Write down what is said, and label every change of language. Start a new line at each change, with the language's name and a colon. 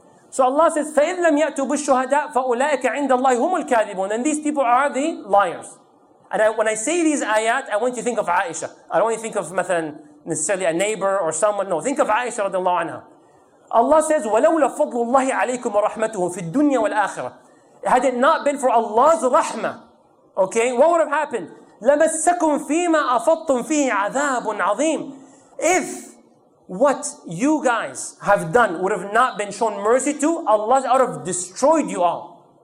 English: So Allah says,
Arabic: فَإِذْ لَمْ يَأْتُوا بِالشُّهَدَاءِ فَأُولَٰئِكَ عِنْدَ اللَّهِ هُمُ الْكَاذِبُونَ.
English: And these people are the liars. And when I say these ayat, I want you to think of Aisha. I don't want you to think of مثلا, necessarily a neighbor or someone. No, think of Aisha radiallahu anha. Allah says,
Arabic: وَلَوْلَ فَضْلُ اللَّهِ عَلَيْكُمْ وَرَحْمَتُهُ فِي الدُّنْيَا وَالْآخِرَةِ.
English: Had it not been for Allah's rahmah, okay, what would have happened?
Arabic: لَمَسَّكُمْ فِيمَا أَفَضْتُمْ فِيهِ عَذَابٌ عَظِيمٌ.
English: If what you guys have done would have not been shown mercy to, Allah would have destroyed you all.